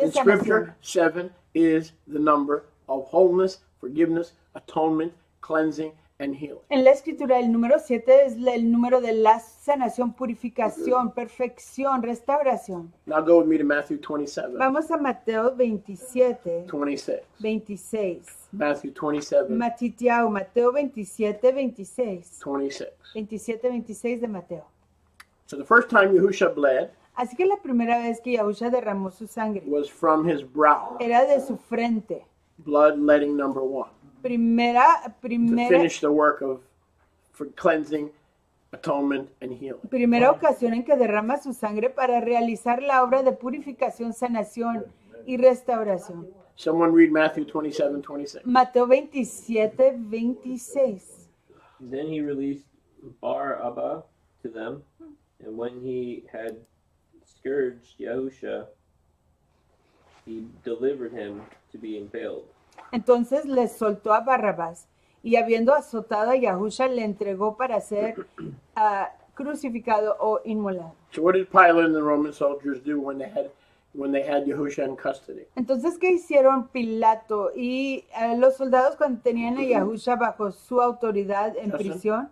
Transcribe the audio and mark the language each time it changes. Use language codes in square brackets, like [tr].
[en] In Scripture, seven is the number of wholeness, forgiveness, atonement, cleansing, and healing. [es] En la Escritura, el número siete es el número de la sanación, purificación, perfección, restauración. [en] Now go with me to Matthew 27. [es] Vamos a Mateo 27. [en] 26. Matthew 27. [es] Matitiao, Mateo 27, 26. 26. 27, 26 de Mateo. [en] So the first time Yahusha bled. [es] Así que la primera vez que Yahusha derramó su sangre. [en] Was from his brow. [es] Era de su frente. [en] Blood letting number one. [es] Primera. [en] To finish the work of for cleansing, atonement, and healing. [es] Primera ocasión en que derrama su sangre para realizar la obra de purificación, sanación y restauración. [en] Someone read Matthew 27, 26. [es] Mateo 27, 26. [en] Then he released Bar-Abba to them, and when he had scourged Yahusha, he delivered him to be impaled. [es] Entonces le soltó a Barrabás, y habiendo azotado a Yahusha, le entregó para ser crucificado o inmolado. [en] So what did Pilate and the Roman soldiers do when they had Yahusha in custody? [es] Entonces, ¿qué hicieron Pilato y los soldados cuando tenían a Yahusha bajo su autoridad en prisión?